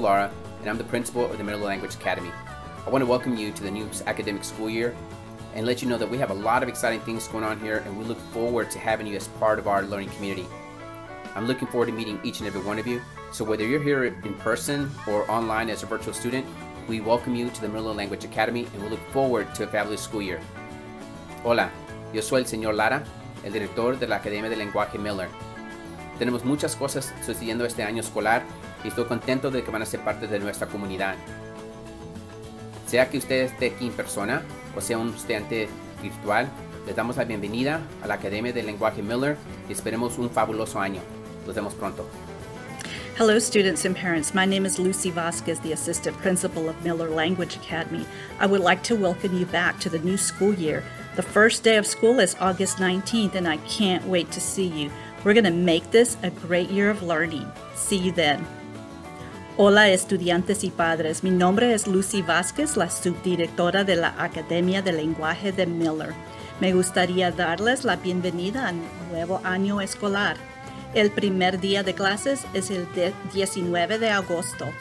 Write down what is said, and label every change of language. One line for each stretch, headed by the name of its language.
English: Lara, and I'm the principal of the Middle Language Academy. I want to welcome you to the new academic school year and let you know that we have a lot of exciting things going on here, and we look forward to having you as part of our learning community. I'm looking forward to meeting each and every one of you. So whether you're here in person or online as a virtual student, we welcome you to the Middle Language Academy, and we look forward to a fabulous school year.
Spanish: Hola, yo soy el señor Lara, el director de la Academia de Lenguaje Miller. Tenemos muchas cosas sucediendo este año escolar y estoy contento de que van a ser parte de nuestra comunidad. Sea que usted esté aquí en persona o sea un estudiante virtual, les damos la bienvenida a la Academia del Lenguaje Miller y esperemos un fabuloso año. Nos vemos pronto.
English: Hello, students and parents. My name is Lucy Vasquez, the assistant principal of Miller Language Academy. I would like to welcome you back to the new school year. The first day of school is August 19th, and I can't wait to see you. We're going to make this a great year of learning. See you then.
Spanish: Hola, estudiantes y padres. Mi nombre es Lucy Vasquez, la subdirectora de la Academia de Lenguaje de Miller. Me gustaría darles la bienvenida al nuevo año escolar. El primer día de clases es el 19 de agosto.